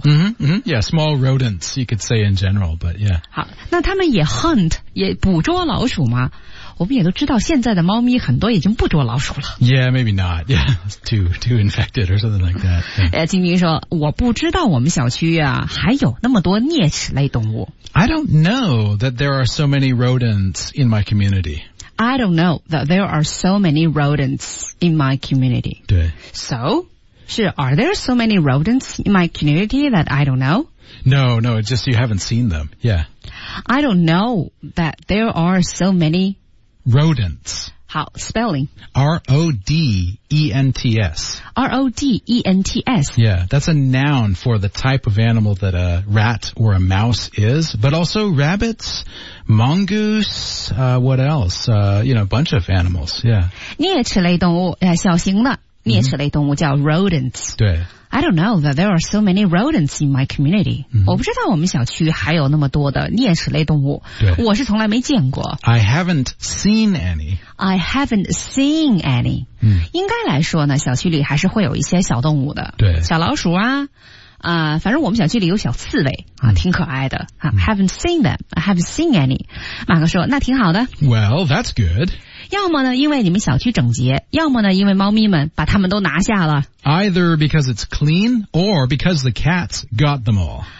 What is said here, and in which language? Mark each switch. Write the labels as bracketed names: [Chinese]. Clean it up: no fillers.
[English] 嗯、mm-hmm, 嗯、mm-hmm. ，Yeah， small rodents you could say in general， but yeah。 [Chinese] 好，那他们也 hunt 也捕捉老鼠吗？我们也都知道，现在的猫咪很多已经不捉老鼠了。 [English] Yeah， maybe not. Yeah， too infected or something like that、yeah.。 [Chinese] 金明说，我不知道我们小区啊还有那么多啮齿类动物。 [English] I don't know that there are so many rodents in my community. I don't know that there are so many rodents in my community. [Chinese] 对。 [English] So。是 ，Are there so many rodents in my community that I don't know? No, no, it's just you haven't seen them. Yeah. I don't know that there are so many rodents. 好 ，spelling. R-O-D-E-N-T-S. R-O-D-E-N-T-S. Yeah, that's a noun for the type of animal that a rat or a mouse is, but also rabbits, mongoose, what else? You know, a bunch of animals. Yeah. [Chinese] 啮齿类动物，小型的。啮齿类动物叫 rodents。对。 [English] I don't know that there are so many rodents in my community.、 Mm-hmm. [Chinese] 我不知道我们小区还有那么多的啮齿类动物。对。我是从来没见过。 [English] I haven't seen any. I haven't seen any.、嗯、 [Chinese] 应该来说呢，小区里还是会有一些小动物的。对。小老鼠啊。反正我们小区里有小刺猬啊、嗯、挺可爱的。 [English] I haven't seen them. I haven't seen any. [Chinese] 马克说那挺好的。 [English] Well, that's good. [Chinese] 要么呢因为你们小区整洁，要么呢因为猫咪们把它们都拿下了。 [English] Either because it's clean or because the cats got them all.